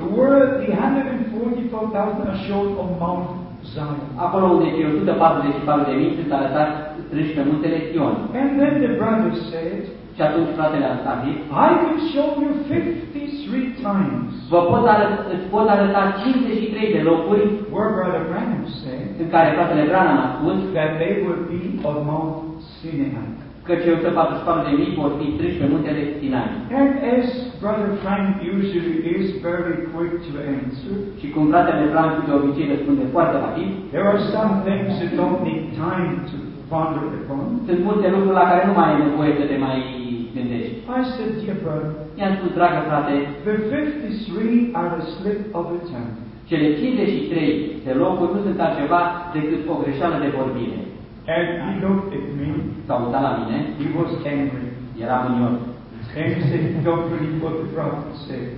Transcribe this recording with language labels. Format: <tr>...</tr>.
<en>The word the 144,000 are shown on Mount Zion.</en> <ro>Acolo unde cei 144,000 sunt arătați strânși pe muntele Sion.</ro> <en>And then the brother said,</en> <ro>și atunci fratele a stabilit,</ro> <en>I can show you 53 times.</en> <ro>Vă pot arăta 53 de locuri.</ro> <en>Where Brother Branham said,</en> <ro>în care fratele Branham a spus,</ro> <en>that they would be on Mount Sinai.</en> <ro>Că cei 144,000 vor fi strânși pe muntele Sinai.</ro> <en>And as Brother Frank usually is very quick to answer,</en> <ro>și cum fratele Frank de obicei răspunde foarte rapid,</ro> <en>there are some things that don't need time to ponder upon.</en> <ro>Sunt multe lucruri la care nu mai ai nevoie să te mai gândești.</ro> <en>I said, dear brother,</en> <ro>i-am spus, dragă frate,</ro> <en>the 53 are a slip of the tongue.</en> <ro>Cele 53 de locuri nu sunt altceva decât o greșeală de vorbire.</ro> <en>And he looked at me.</en> <ro>S-a uitat la mine.</ro> <en>He was angry.</en> <ro>Era mânios.</ro> <en>And he said, don't believe what the prophet said.</en>